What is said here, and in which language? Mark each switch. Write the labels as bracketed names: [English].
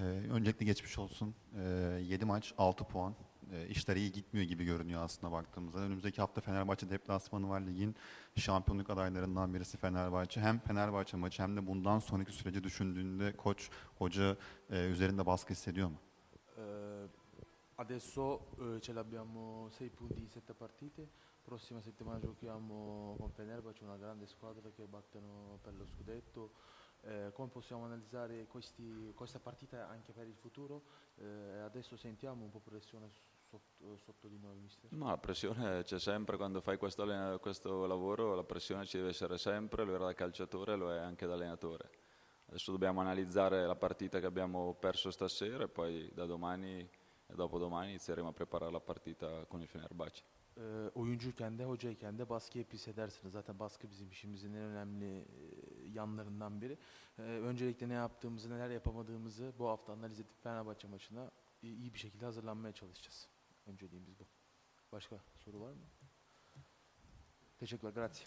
[Turkish] Öncelikle geçmiş olsun. 7 maç 6 puan. İşler iyi gitmiyor gibi görünüyor aslında baktığımızda. Önümüzdeki hafta Fenerbahçe deplasmanı var. Ligin şampiyonluk adaylarından birisi Fenerbahçe. Hem Fenerbahçe maçı hem de bundan sonraki süreci düşündüğünde koç, hoca üzerinde baskı hissediyor mu? [Italian] Adesso ce l'abbiamo 6 punti in 7 partite. Prossima settimana giochiamo con Fenerbahçe, una grande squadra che battono per lo scudetto. Come possiamo analizzare questa partita anche per il futuro? Adesso sentiamo un po' pressione sotto di noi, mister. Ma la pressione c'è sempre quando fai questo lavoro, la pressione ci deve essere sempre, lo era da calciatore, lo è anche da allenatore. Adesso dobbiamo analizzare la partita che abbiamo perso stasera e poi da domani e dopodomani inizieremo a preparare la partita con il Fenerbahçe. [Turkish] Oyuncuyken de hocayken de baskı hep hissedersiniz. Zaten baskı bizim işimizin en önemli yanlarından biri. Öncelikle ne yaptığımızı, neler yapamadığımızı bu hafta analiz edip Fenerbahçe maçına iyi bir şekilde hazırlanmaya çalışacağız. Önceliğimiz bu. Başka soru var mı? Teşekkürler, grazie.